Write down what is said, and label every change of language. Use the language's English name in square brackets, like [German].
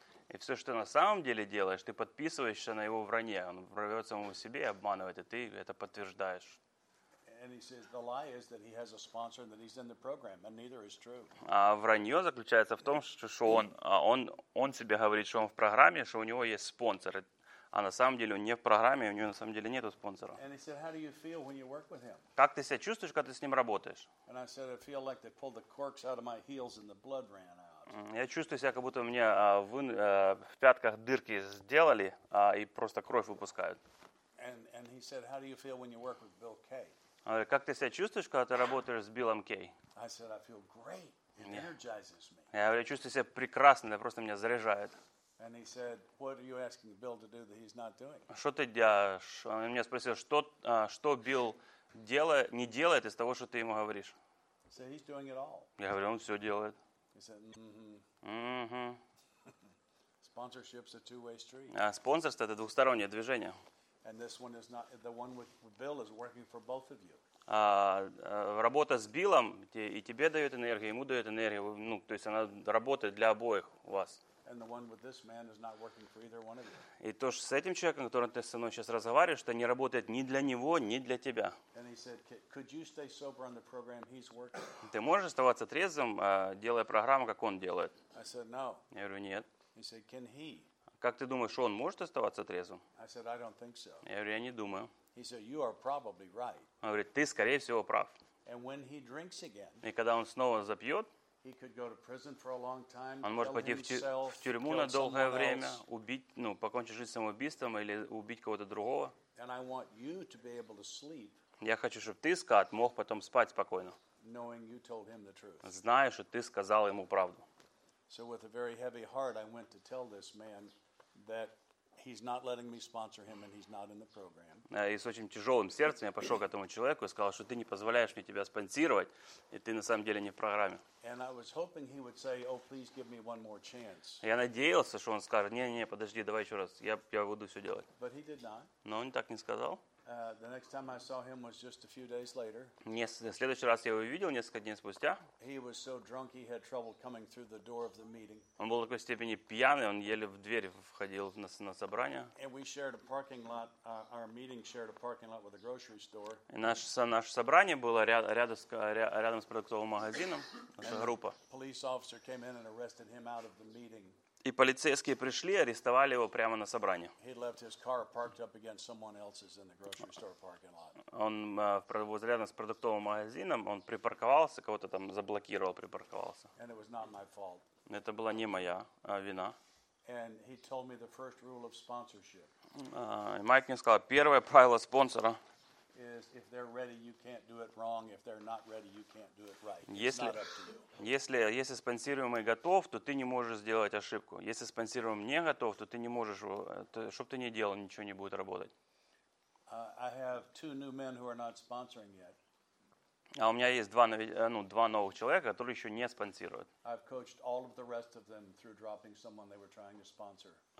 [Russian] и все, что ты на самом деле делаешь, ты подписываешься на его вранье. Он врет самому себе и обманывает, и ты это подтверждаешь. [English] And he says the lie is that he has a sponsor and that he's in the program, and neither is true. [Russian] Вранье заключается в том, что он себе говорит, что он в программе, что у него есть спонсор, а на самом деле он не в программе, у него на самом деле нету спонсора. [English] And he said, how do you feel when you work with him? [Russian] Как ты себя чувствуешь, когда ты с ним работаешь? [English] And I said, I feel like they pulled the corks out of my heels and the blood ran out. [Russian] Я чувствую себя, как будто мне в пятках дырки сделали, и просто кровь выпускают. [English] And he said, how do you feel when you work with Bill Kay? [Russian] Он говорит, как ты себя чувствуешь, когда ты работаешь с Биллом Кей? [English] I said, I feel great. It energizes me. [Russian] Я говорю, я чувствую себя прекрасно, это просто меня заряжает. [English] And he said, what are you asking Bill to do that he's not doing? [Russian] Что ты делаешь? Он меня спросил, что Билл не делает из того, что ты ему говоришь? [English] So he's doing it all. [Russian] Я говорю, он все делает. [English] He said, mm-hmm. Sponsorship's a two-way street. [Russian] А спонсорство это двухстороннее движение. [English] And this one is not the one with Bill is working for both of you. [Russian] А работа с Биллом и тебе дает энергию, ему дает энергию, ну то есть она работает для обоих у вас. [English] And the one with this man is not working for either one of you. [Russian] И то же с этим человеком, которым ты со мной сейчас разговариваешь, что не работает ни для него, ни для тебя. [English] And he said, could you stay sober on the program he's working? [Russian] Ты можешь оставаться трезвым, делая программу, как он делает? [English] I said, no. [Russian] Я говорю, нет. [English] He said, can he? [Russian] Как ты думаешь, он может оставаться трезвым? [English] I said, I don't think so. [Russian] Я говорю, я не думаю. [English] He said, you are probably right. [Russian] Он говорит, ты, скорее всего, прав. [English] And when he drinks again, [Russian] и когда он снова запьет, [English] he could go to prison for a long time. [Russian] Он может пойти в тюрьму на долгое время, убить, ну, покончить жизнь самоубийством или убить кого-то другого. [English] And I want you to be able to sleep. [Russian] Я хочу, чтобы ты, Скотт, мог потом спать спокойно. [English] Knowing you told him the truth. [Russian] Зная, что ты сказал ему правду. [English] So with a very heavy heart, I went to tell this man that he's not letting me sponsor him, and he's not in the program. [Russian] И с очень тяжелым сердцем я пошел к этому человеку и сказал, что ты не позволяешь мне тебя спонсировать, и ты на самом деле не в программе. [English] And I was hoping he would say, "Oh, please give me one more chance." [Russian] Я надеялся, что он скажет, не, подожди, давай еще раз, я буду все делать. [English] But he did not. [Russian] Но он так не сказал. [English] The next time I saw him was just a few days later. [Russian] Следующий раз я его видел несколько дней спустя. [English] He was so drunk he had trouble coming through the door of the meeting. [Russian] Он был в такой степени пьяный, он еле в дверь входил на собрание. [English] And we shared a parking lot. Our meeting shared a parking lot with a grocery store. [Russian] И наше собрание было рядом с продуктовым магазином. Наша группа. [English] Police officer came in and arrested him out of the meeting. [Russian] И полицейские пришли, арестовали его прямо на собрании. [English] He left his car parked up against someone else's in the grocery store parking lot. [Russian] Он возле рядом с продуктовым магазином, он припарковался, кого-то там заблокировал, припарковался. [English] And it was not my fault. [Russian] Это была не моя вина. [English] And he told me the first rule of sponsorship. [Russian] Майк мне сказал, первое правило спонсора. [English] Is if they're ready, you can't do it wrong. If they're not ready, you can't do it right. It's [Russian] если, [English] not up to you. [Russian] Если спонсируемый готов, то ты не можешь сделать ошибку. Если спонсируемый не готов, то ты не можешь, что бы ты ни делал, ничего не будет работать. [English] I have two new men who are not sponsoring yet. [Russian] А у меня есть два новых человека, которые еще не спонсируют. [English] I've coached all of the rest of them through dropping someone they were trying to sponsor.